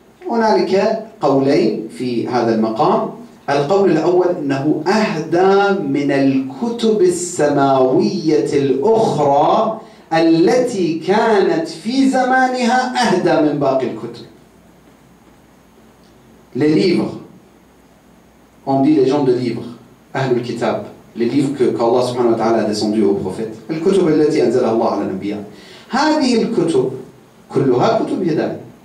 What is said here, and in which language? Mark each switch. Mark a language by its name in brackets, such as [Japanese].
[Arabic] هنالك قولين في هذا المقام. القول الأول أنه أهدى من الكتب السماوية الأخرى التي كانت في زمانها أهدى من باقي الكتب. [French] Les livres. On dit les gens de livres. [Arabic] أهل الكتاب. [French] Les livres que Allah [Arabic] سبحانه وتعالى [French] descendu au prophète. [Arabic] الكتب التي أنزلها الله على الأنبياء. هذه الكتب كلها كتب هداية.